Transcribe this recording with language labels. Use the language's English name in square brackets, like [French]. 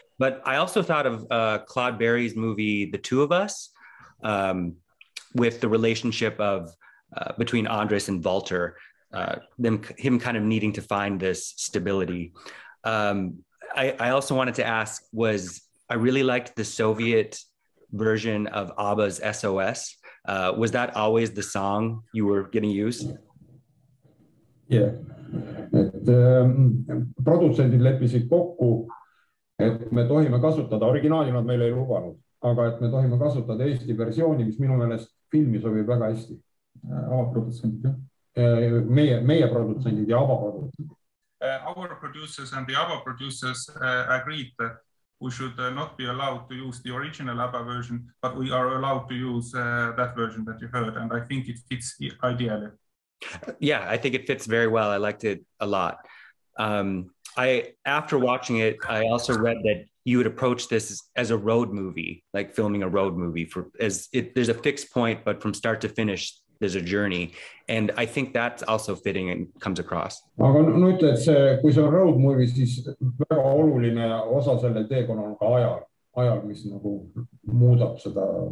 [English] But I also thought of Claude Berry's movie, The Two of Us, with the relationship of between Andres and Walter, him kind of needing to find this stability. I also wanted to ask, I really liked the Soviet version of ABBA's SOS. Was that always the song you were getting used? Yeah. [Estonian] Produtsendid leppisid kokku, et me tohime kasutada, originaalinud meile ei lubanud, aga et me tohime kasutada Eesti versiooni, mis minu meelest filmi sobib väga hästi. Produtsendid, jah? Meie produtsendid ja ABBA produtsendid. [English] Our producers and the ABBA producers agreed that we should not be allowed to use the original ABBA version, but we are allowed to use that version that you heard, and I think it fits ideally. Yeah, I think it fits very well. I liked it a lot. After watching it, I also read that you would approach this as a road movie, like filming a road movie there's a fixed point, but from start to finish, there's a journey. And I think that's also fitting and comes across. [Estonian] Aga nüüd, et see, kui see on road movie, siis väga oluline osa selle teekonna on ka ajal, mis nagu muudab seda